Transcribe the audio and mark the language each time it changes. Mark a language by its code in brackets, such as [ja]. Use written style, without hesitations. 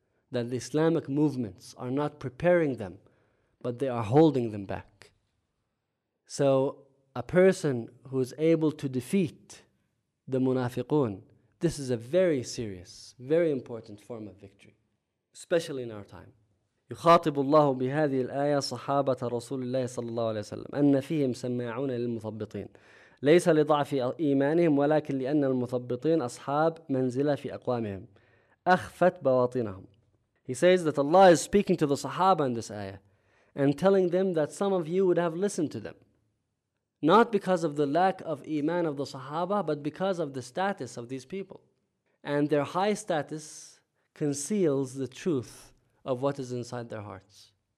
[en] That the Islamic movements are not preparing them, but they are holding them back. So a person who is able to defeat the munafiqun, this is a very serious, very important form of victory, especially in our time. [ar] يخاطب الله بهذه الآية صحابة رسول الله صلى الله عليه وسلم أن فيهم سماعون للمثبطين ليس لضعف إيمانهم ولكن لأن المثبطين أصحاب منزلة في أقوامهم أخفت بواطنهم. [en] He says that Allah is speaking to the Sahaba in this ayah and telling them that some of you would have listened to them, not because of the lack of iman of the Sahaba, but because of the status of these people. And their high status conceals the truth of what is inside their hearts.